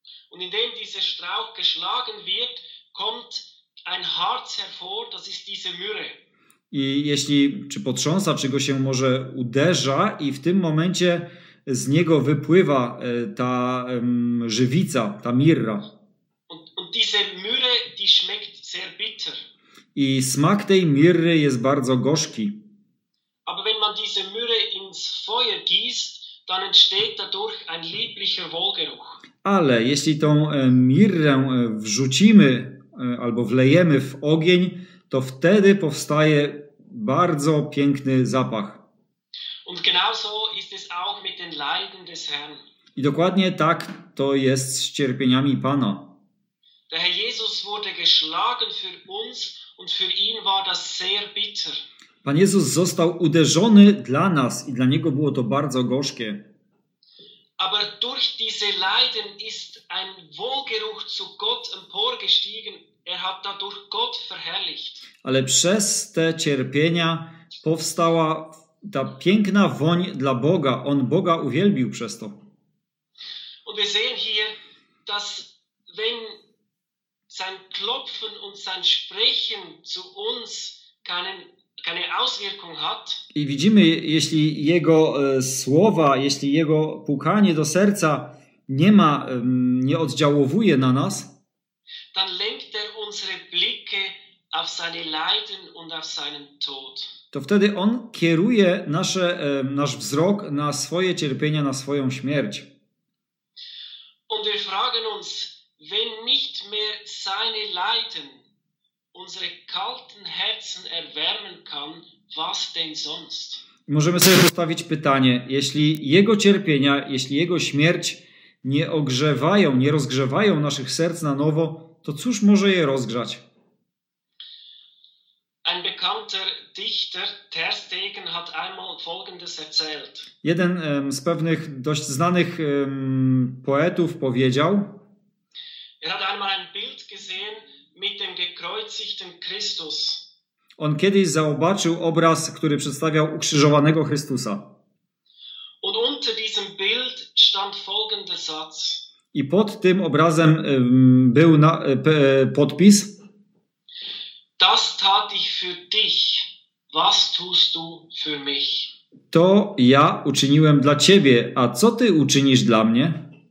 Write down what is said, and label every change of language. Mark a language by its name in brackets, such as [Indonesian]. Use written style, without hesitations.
[German] Und indem dieser Strauch geschlagen wird, kommt ein Harz hervor, das ist diese Myrrhe. [Polish] I jeśli czy potrząsa, czy go się może uderza, i w tym momencie z niego wypływa ta żywica, ta mirra. [German] Und diese Myrrhe, die schmeckt sehr bitter. [Polish] I smak tej mirry jest bardzo gorzki. [German] Aber wenn man diese Myrrhe ins Feuer gießt, dann entsteht dadurch ein lieblicher Wohlgeruch. [Polish] Ale jeśli tą mirrę wrzucimy albo wlejemy w ogień, to wtedy powstaje bardzo piękny zapach. [German] Und genauso ist es auch mit den Leiden des Herrn. [Polish] I dokładnie tak to jest z cierpieniami Pana. [German] Der Herr Jesus wurde geschlagen für uns und für ihn war das sehr bitter. [Polish] Pan Jezus został uderzony dla nas i dla Niego było to bardzo gorzkie. [German] Aber durch diese Leiden ist ein Wohlgeruch zu Gott emporgestiegen. Er hat dadurch Gott verherrlicht. [Polish] Ale przez te cierpienia powstała ta piękna woń dla Boga. On Boga uwielbił przez to. [German] Und wir sehen hier, dass wenn sein Klopfen und sein Sprechen zu uns keine Auswirkung hat. [Polish] I widzimy, jeśli jego słowa, jeśli jego pukanie do serca nie oddziałowuje na nas, [German] dann lenkt er unsere Blicke auf seine Leiden und auf seinen Tod. [Polish] To wtedy on kieruje nasz wzrok na swoje cierpienia, na swoją śmierć. [German] Und wir fragen uns, wenn nicht mehr seine Leiden unsere kalten Herzen erwärmen kann, was denn sonst? [Polish] Możemy sobie postawić pytanie, jeśli jego cierpienia, jeśli jego śmierć nie ogrzewają, nie rozgrzewają naszych serc na nowo, to cóż może je rozgrzać? [German] Ein bekannter Dichter, Ter Stegen, hat einmal folgendes erzählt. [Polish] Jeden z pewnych dość znanych poetów powiedział. [German] Er hat einmal ein Bild gesehen mit dem gekreuzigten Christus. [Polish] On kiedyś zobaczył obraz, który przedstawiał ukrzyżowanego Chrystusa. [German] Und unter diesem Bild stand folgender Satz. [Polish] I pod tym obrazem był podpis. [German] Das tat ich für dich. Was tust du für mich? [Polish] To ja uczyniłem dla ciebie, a co ty uczynisz dla mnie?